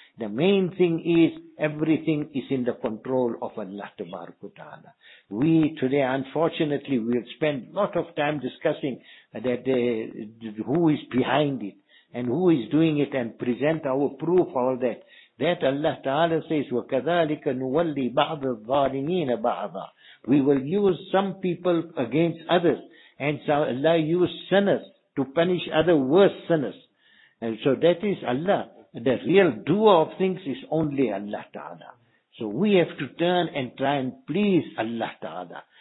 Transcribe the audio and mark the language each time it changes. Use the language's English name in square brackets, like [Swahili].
[English] The main thing is, everything is in the control of Allah Tabaraka Ta'ala. We today, unfortunately, we have spent a lot of time discussing that who is behind it and who is doing it and present our proof, all that. That Allah Ta'ala says, [Arabic] وَكَذَلِكَ نُوَلِّي بَعْضَ الظَّالِمِينَ بَعْضًا. [English] We will use some people against others, and so Allah used sinners to punish other worse sinners. And so that is Allah. The real doer of things is only Allah Ta'ala. So we have to turn and try and please Allah Ta'ala.